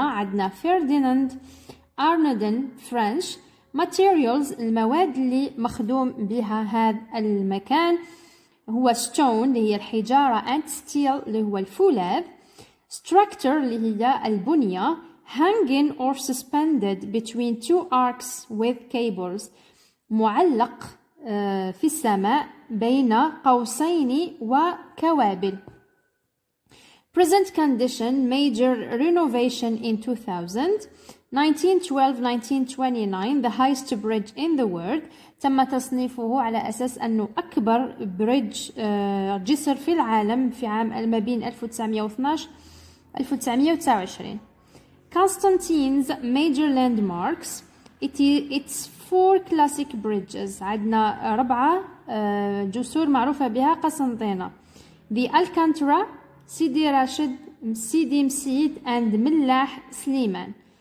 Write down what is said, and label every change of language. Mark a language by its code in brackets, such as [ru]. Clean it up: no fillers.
[ar] عندنا فيرديناند أرندن فرنش. materials المواد اللي مخدوم بها هذا المكان هو stone اللي هي الحجارة and steel اللي هو الفولاذ. structure اللي هي البنية. [en] hanging or suspended between two arcs with cables، [ar] معلق في السماء بين قوسين وكوابل. [en] present condition major renovation in 2000. 1912-1929 the highest bridge in the world، [ar] تم تصنيفه على أساس أنه أكبر بريدج جسر في العالم في عام ما بين 1912-1929. [en] Constantine's major landmarks its four classic bridges، [ar] عندنا ربعة جسور معروفة بها قسنطينة. [en] The Alcantara سيدي راشد سيدي مسيد and ملاح سليمان.